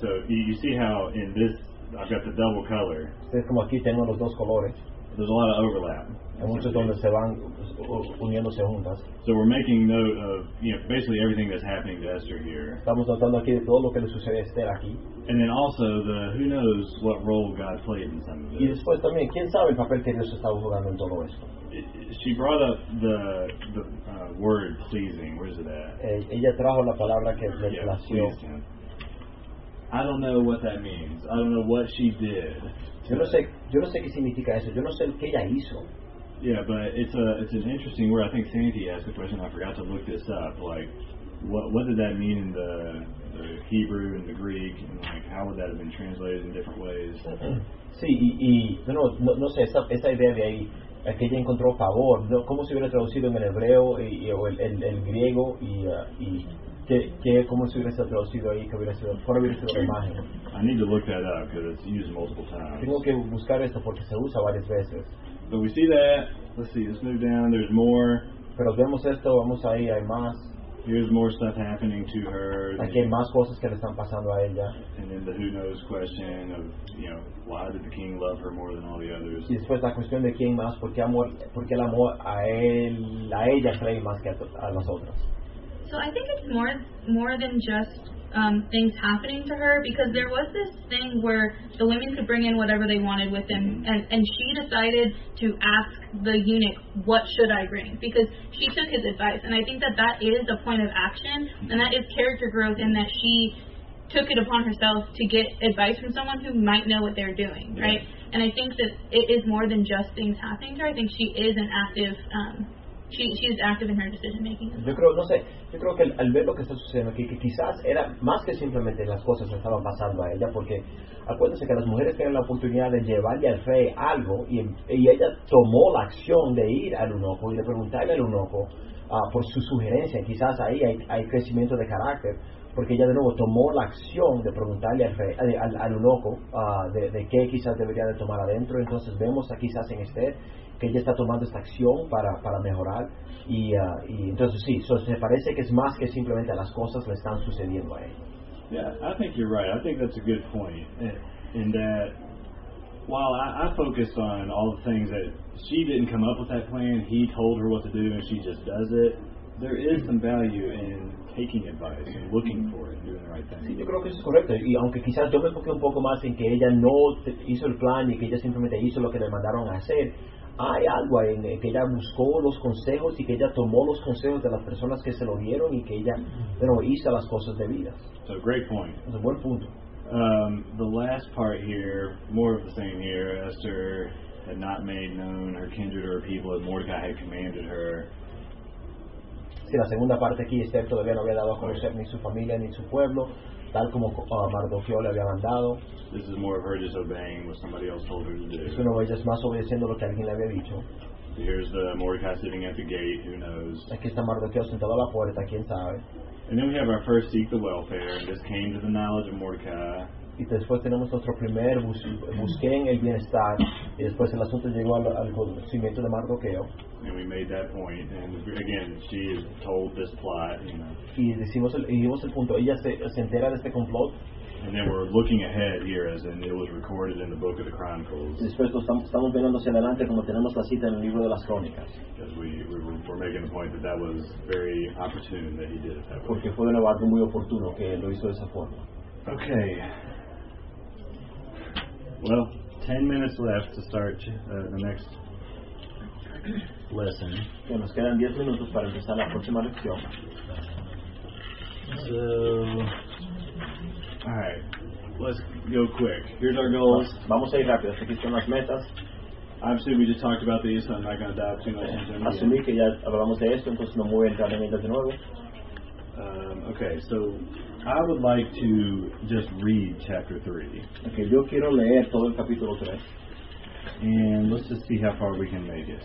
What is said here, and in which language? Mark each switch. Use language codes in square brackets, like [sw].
[en] So you see how in this, I've got the double color. [es] Es como aquí tengo los dos colores. [en] There's a lot of overlap. [es] Hay muchos donde se van uniéndose juntas. [en] So we're making note of, you know, basically everything that's happening to Esther here. [es] Estamos notando aquí de todo lo que le sucede a Esther aquí. [en] And then also the who knows what role God played in some of this. [es] Y después también, ¿quién sabe el papel que Dios estaba jugando en todo esto? [en] She brought up the word pleasing. Where is it at? [es] Ella trajo la palabra que le plació. [en] I don't know what that means. I don't know what she did. [es] Yo no sé qué significa eso. Yo no sé qué ella hizo. [en] Yeah, but it's an interesting word. I think Sandy asked a question. I forgot to look this up. Like, what did that mean in the Hebrew and the Greek, and like how would that have been translated in different ways? [es] Sí, no sé. Esa idea de ahí, que ella encontró favor. No, ¿cómo se hubiera traducido en el hebreo o el griego y que cómo se hubiera traducido ahí, que hubiera sido, por haber sido la imagen? [en] I need to look that up because it's used multiple times. [es] Tengo que buscar esto porque se usa varias veces. [en] But we see that. Let's see. Let's move down. There's more. [es] Pero vemos esto. Vamos ahí. Hay más. [en] Here's more stuff happening to her. [es] Aquí hay más cosas que le están pasando a ella. [en] And then the who knows question of, you know, why did the king love her more than all the others? [es] Y después la cuestión de quién más, por qué el amor a ella cree más que a las otras. [en] So I think it's more than just things happening to her, because there was this thing where the women could bring in whatever they wanted with them, and she decided to ask the eunuch, what should I bring? Because she took his advice, and I think that is a point of action, and that is character growth, in that she took it upon herself to get advice from someone who might know what they're doing, yeah. Right? And I think that it is more than just things happening to her. I think she is an active... She's active in her decision making. [es] Yo creo que al ver lo que está sucediendo aquí, que quizás era más que simplemente las cosas que estaban pasando a ella, porque acuérdense que las mujeres tienen la oportunidad de llevarle al rey algo, y ella tomó la acción de ir al eunuco y de preguntarle al eunuco por su sugerencia. Quizás ahí hay crecimiento de carácter, porque ella de nuevo tomó la acción de preguntarle al rey, al eunuco, de qué quizás debería de tomar adentro. Entonces vemos quizás en Esther que ella está tomando esta acción para mejorar, y entonces sí, so, se parece que es más que simplemente las cosas le están sucediendo a ella. [en] Yeah, I think you're right. I think that's a good point. In that, while I focused on all the things that she didn't come up with that plan, he told her what to do and she just does it, there is some value in taking advice and looking for it and doing the right thing. [es] Sí, yo creo que eso es correcto. Y aunque quizás yo me enfoqué un poco más en que ella no hizo el plan y que ella simplemente hizo lo que le mandaron a hacer, hay algo ahí en que ella buscó los consejos y que ella tomó los consejos de las personas que se lo dieron y que ella, bueno, hizo las cosas debidas. [en] So, great point. [es] Es un buen punto. [en] The last part here, more of the same here. Esther had not made known her kindred or her people that Mordecai had commanded her. [es] Sí, la segunda parte aquí, Esther todavía no había dado a conocer ni su familia ni su pueblo, tal como Mardoqueo le había mandado. [en] This is more of her just obeying what somebody else told her to do. [es] Es una de ellas más obedeciendo lo que alguien le había dicho. [en] Here's the Mordecai sitting at the gate, who knows. [es] Aquí está Mardoqueo sentado a la puerta, quién sabe. [en] And then we have our first seek the welfare, and this came to the knowledge of Mordecai. [es] Y después tenemos nuestro primer busqué en el bienestar, y después el asunto llegó al conocimiento de Mardoqueo. [en] And we made that point, and again, she is told this plot, you know. [es] Y dijimos el punto, ella se entera de este complot. [en] And then we're looking ahead here, as in it was recorded in the book of the Chronicles. [es] Después estamos viendo hacia adelante como tenemos la cita en el libro de las Crónicas. [en] Because we're making the point that was very opportune that he did it that way. [es] Porque fue un acto muy oportuno que lo hizo de esa forma. [en] Okay. Well, 10 minutes left to start the next lesson. [es] Okay, nos quedan 10 minutos para empezar la próxima lección. [en] So, all right, let's go quick. Here's our goals. [es] Vamos a ir rápido. Aquí están las metas. [en] Obviously, we just talked about these, so I'm not going to dive too much into them. [es] Asumí que ya hablamos de esto, entonces no voy a entrar en ellas de nuevo. [en] Okay, so I would like to just read chapter 3. [es] Okay, yo quiero leer todo el capítulo 3. [en] and let's just see how far we can make it.